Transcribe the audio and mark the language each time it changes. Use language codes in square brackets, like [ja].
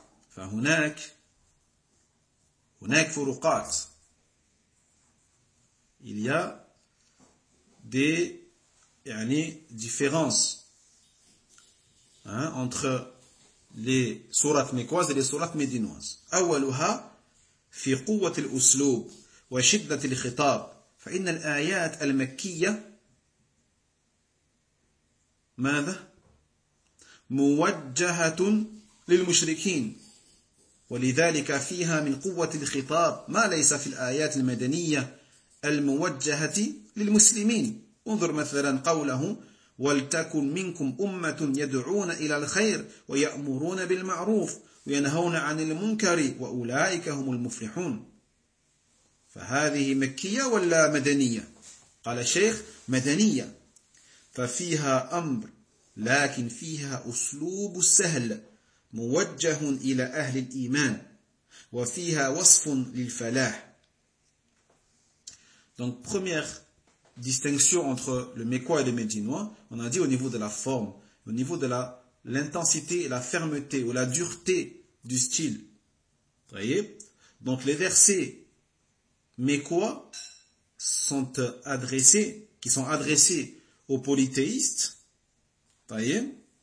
[ar] Fahunak, hunak furuqat. [fr] Il y a des différences entre les sourates mécoises et les sourates médinoises. [ar] أولها في قوة الأسلوب وشدة الخطاب فإن الآيات المكية ماذا موجهة للمشركين ولذلك فيها من قوة الخطاب ما ليس في الآيات المدنية الموجهة للمسلمين. انظر مثلا قوله ولتكن منكم أمة يدعون إلى الخير ويأمرون بالمعروف وينهون عن المنكر وأولئك هم المفلحون. فهذه مكية ولا مدنية؟ قال الشيخ مدنية، ففيها أمر لكن فيها أسلوب سهل موجه إلى أهل الإيمان وفيها وصف للفلاح. [fr] Donc première distinction entre le mécois et le médinois, on a dit au niveau de la forme, au niveau de l'intensité et la fermeté ou la dureté du style. Vous voyez? Donc les versets mécois sont adressés aux polythéistes. Vous voyez?